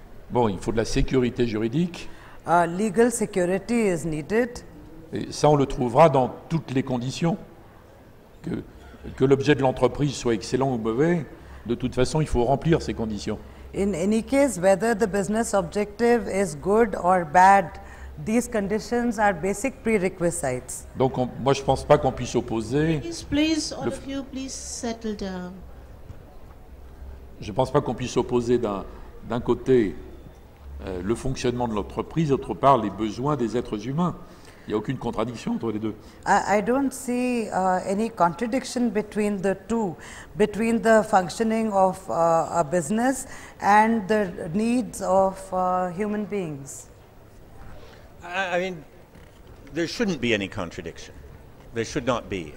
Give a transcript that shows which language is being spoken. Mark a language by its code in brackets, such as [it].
[fr] Bon, il faut de la sécurité juridique. [en] Legal security is needed. [fr] Et ça, on le trouvera dans toutes les conditions. Que l'objet de l'entreprise soit excellent ou mauvais, de toute façon, il faut remplir ces conditions. [en] In any case, whether the business objective is good or bad, these conditions are basic prerequisites. [fr] Donc, moi, je pense pas qu'on puisse opposer. [en] Please, all of you, please settle down. [fr] Je pense pas qu'on puisse opposer d'un côté le fonctionnement de l'entreprise, d'autre part les besoins des êtres humains. Il y a aucune contradiction entre les deux. [en] I don't see any contradiction between the two, between the functioning of a business and the needs of human beings. I mean, there shouldn't be any contradiction. There should not be.